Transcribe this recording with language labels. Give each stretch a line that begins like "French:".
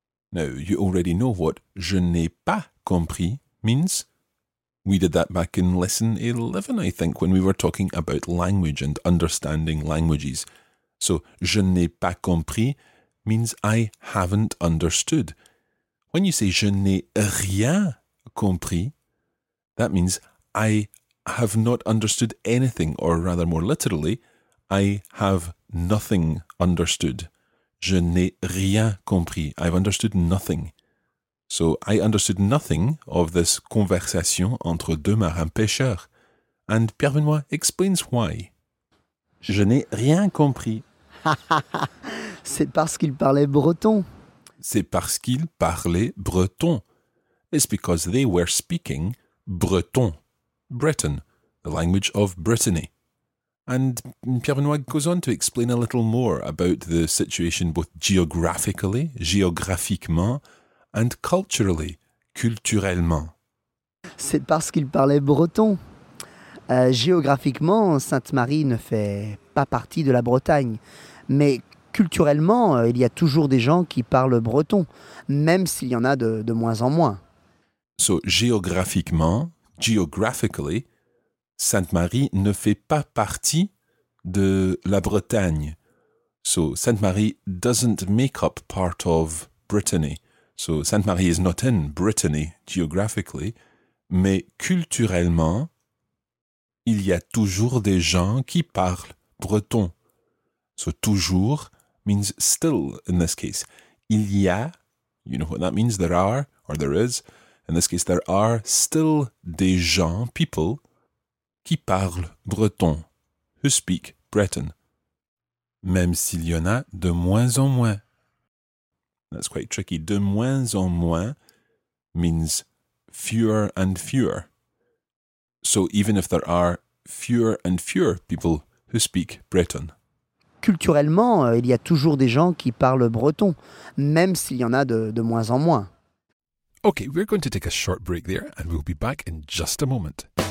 English: Now, you already know what
French: je n'ai pas compris
English: means. We did that back in lesson 11, I think, when we were talking about language and understanding languages. So,
French: je n'ai pas compris
English: means I haven't understood. When you say
French: je n'ai rien compris,
English: that means I have not understood anything, or rather more literally, I have nothing understood. Je n'ai rien compris. I've understood nothing. So I understood nothing of this conversation
French: entre deux marins pêcheurs.
English: And Pierre Benoît explains why.
French: Je n'ai rien compris. C'est parce qu'ils parlaient breton. C'est parce qu'ils parlaient breton.
English: It's because they were speaking breton. Breton, the language of Brittany. And Pierre Benoît goes on to explain a little more about the situation both geographically, géographiquement, and culturally, culturellement.
French: C'est parce qu'il parlait breton. Géographiquement, Sainte-Marie ne fait pas partie de la Bretagne. Mais culturellement, il y a toujours des gens qui parlent breton, même s'il y en a de moins en moins. So, géographiquement, geographically, Sainte-Marie ne fait pas partie de la Bretagne.
English: So, Sainte-Marie doesn't make up part of Brittany. So, Sainte-Marie is not in Brittany, geographically,
French: mais culturellement, il y a toujours des gens qui parlent breton.
English: So, toujours means still in this case.
French: Il y a,
English: you know what that means, there are, or there is. In this case, there are still
French: des gens,
English: people,
French: qui parlent breton,
English: who speak Breton.
French: Même s'il y en a de moins en moins.
English: That's quite tricky.
French: De moins en moins
English: means fewer and fewer. So even if there are fewer and fewer people who speak Breton.
French: Culturellement, il y a toujours des gens qui parlent breton, même s'il y en a de moins en moins.
English: Okay, we're going to take a short break there and we'll be back in just a moment.